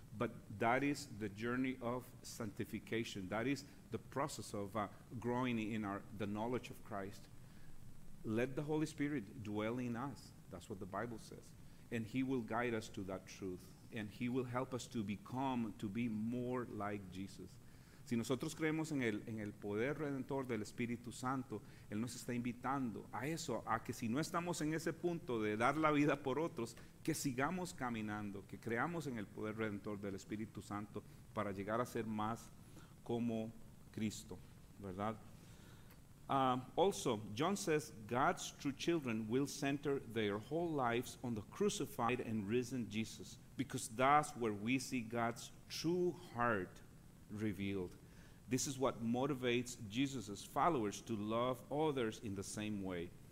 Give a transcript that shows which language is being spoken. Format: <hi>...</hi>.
<en>But that is the journey of sanctification. That is the process of growing in the knowledge of Christ. Let the Holy Spirit dwell in us. That's what the Bible says. And He will guide us to that truth. And He will help us to become, to be more like Jesus.</en> <es>Si nosotros creemos en el poder redentor del Espíritu Santo, Él nos está invitando a eso, a que si no estamos en ese punto de dar la vida por otros, que sigamos caminando, que creamos en el poder redentor del Espíritu Santo para llegar a ser más como Cristo, ¿verdad?</es> <en>Also, John says, God's true children will center their whole lives on the crucified and risen Jesus, because that's where we see God's true heart revealed. This is what motivates Jesus's followers to love others in the same way.</en>